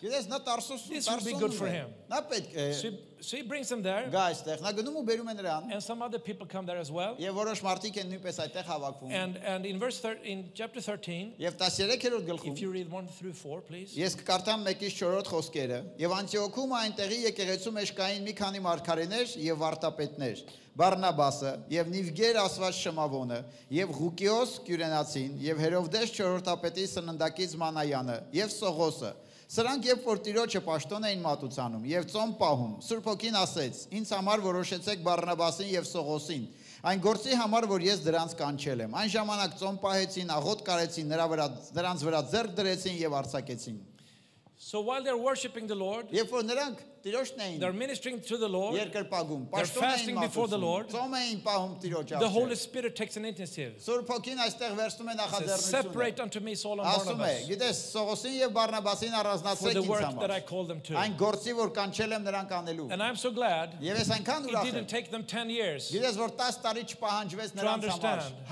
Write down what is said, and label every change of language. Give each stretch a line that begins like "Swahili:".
English: This would be good for him. So he brings him there. And some other people come there as well. And in chapter 13, if you read 1 through 4, please.
Armenian: Եվ Անտիոքում այնտեղի եկեղեցում էշկային մի քանի մարգարեներ եւ վարտապետներ, Բարնաբասը եւ Նիվգեր ասված Շմավոնը եւ Ղուկիոս Կյուրենացին եւ Հերովդես չորրորդապետի սննդակից Մանայանը եւ Սողոսը. Սրանք երբ որ Տիրոջը պաշտոն էին մատուցանում եւ ծոմ պահում, Սուրբ Օքին ասեց. «Ինձ համար որոշեցեք Բարնաբասին եւ Սողոսին, այն գործի համար, որ ես դրանց կանչել եմ»։ Այն ժամանակ ծոմ պահեցին, աղոտ կարեցին, նրանց վրա ձեռք դրեցին եւ արձակեցին։
English: So while they're worshiping the Lord, they're ministering to the Lord, they're fasting before the Lord, the Holy Spirit takes an initiative. Separate unto me Saul and Barnabas for the work that I called them to. And I'm so glad it didn't take them 10 years to understand.